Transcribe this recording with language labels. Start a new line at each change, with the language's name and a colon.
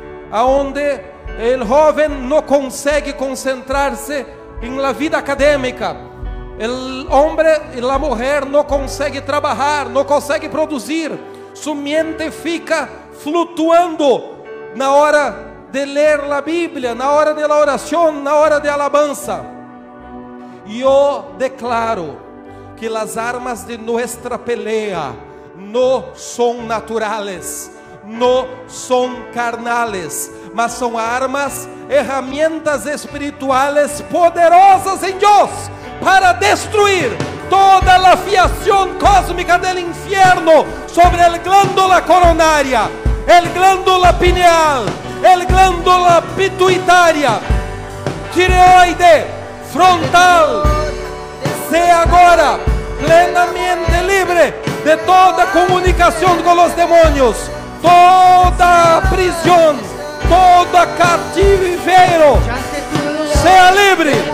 Portuguese: aonde o jovem não consegue concentrar-se em la vida acadêmica, o homem e a mulher não consegue trabalhar, não consegue produzir, sua mente fica flutuando na hora de ler a Bíblia, na hora de la oração, na hora de alabança. E eu declaro que as armas de nossa pelea não são naturais.
Spanish: No son carnales, mas son armas, herramientas espirituales poderosas en Dios para destruir toda la fiación cósmica del infierno sobre el glándula coronaria, el glándula pineal, el glándula pituitaria, tireoide, frontal. Sea ahora plenamente libre de toda comunicación con los demonios.
Portuguese: Toda prisão, toda cativeiro, seja livre.